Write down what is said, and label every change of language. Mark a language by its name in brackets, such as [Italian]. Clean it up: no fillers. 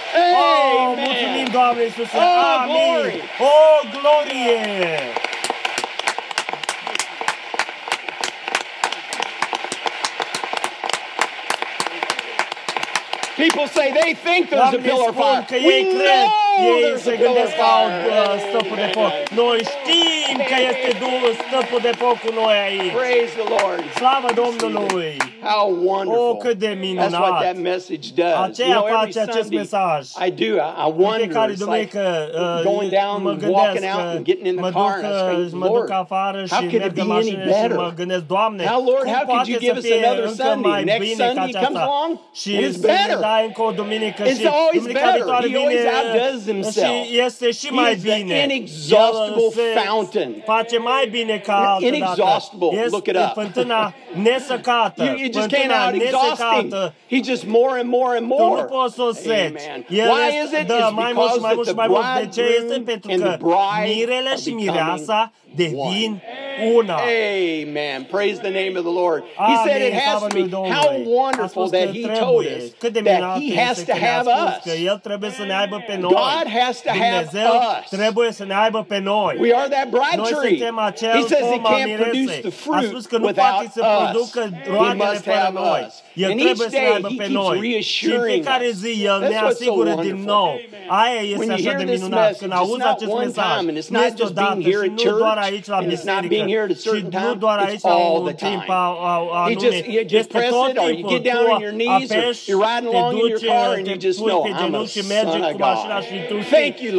[Romanian] Oh, mulțumim, Doamne Iisuse. Oh, [English] glory. [Romanian] Oh, glorie. [English] People say they think there's a pillar of fire. We know. [Romanian] Ei se gândesc că au stăpul de foc. Noi știm că este stăpul de foc cu noi aici. [English] Praise the Lord. [Romanian] Slavă Domnului. [English] How wonderful. [Romanian] Oh, cât de minunat. [English] That's what that message does. [Romanian] Aceea [English] you know, [Romanian] face [English] Sunday, [Romanian] acest mesaj. [English] I do. I wonder. It's like going down and walking out and getting in the car and [Romanian] mă duc afară și merg pe mașină și mă gândesc, Doamne, [English] how Lord, how could you give us another Sunday? Next Sunday comes along [Romanian] și [English] it's better. [Romanian] Dai încă o duminică și duminica viitoare vine. Și este și mai bine. [English] Inexhaustible fountain. [Romanian] Face mai bine ca altă dată. [English] Inexhaustible. Look it up. [Romanian] Fântâna nesecată. Fântâna nesecată. [English] He just more and more and more. [Romanian] Tu nu poți să o seci. [English] Why is it? It's because [Romanian] mai mult și mai mult și mai mult. De ce este? Pentru că mirele și mireasa devin una. [English] Amen. Praise the name of the Lord. He said it has to be. How wonderful that he told us that he has to have us. [Romanian] Că el trebuie să ne aibă pe noi. [English] God has to have [Romanian] Dumnezeu [English] us. [Romanian] Trebuie să ne aibă pe noi. [English] We are that bride tree. [Romanian] Noi suntem acel pom al mireței. [English] He says he can't produce the fruit without us. He must have us. [Romanian] El trebuie să ne aibă pe noi. Și în fiecare zi El ne asigură din nou. Aia este așa de minunat. Când auzi acest mesaj, nu este odată și nu doar aici la biserică și nu doar aici la un timp anume. Este tot timpul. Tu apeși, te duci, te pui pe genunchi și mergi cu mașina și tu știi.